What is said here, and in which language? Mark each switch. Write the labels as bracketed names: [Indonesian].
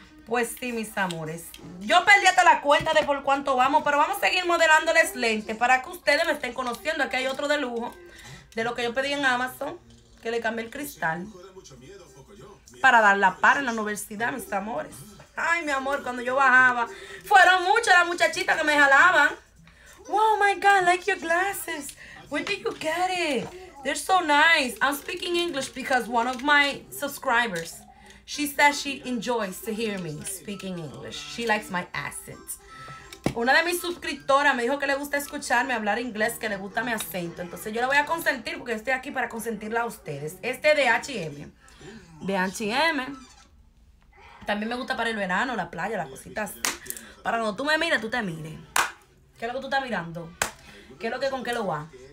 [Spanish] Pues sí, mis amores. Yo perdí hasta la cuenta de por cuánto vamos, pero vamos a seguir modelándoles lentes para que ustedes me estén conociendo. Aquí hay otro de lujo, de lo que yo pedí en Amazon, que le cambié el cristal. Para dar la par en la universidad, mis amores. Ay, mi amor, cuando yo bajaba, fueron muchas las muchachitas que me jalaban. [English] Wow, my God, like your glasses. Where did you get it? They're so nice. I'm speaking English because one of my subscribers, she says she enjoys to hear me speaking English. She likes my accent. [Spanish] Una de mis suscriptoras me dijo que le gusta escucharme hablar inglés, que le gusta mi acento. Entonces yo la voy a consentir porque estoy aquí para consentirla a ustedes. Este de H&M. De H&M. También me gusta para el verano, la playa, las cositas. Para cuando tú me mires, tú te mires. ¿Qué es lo que tú estás mirando? ¿Qué es lo que con qué lo va?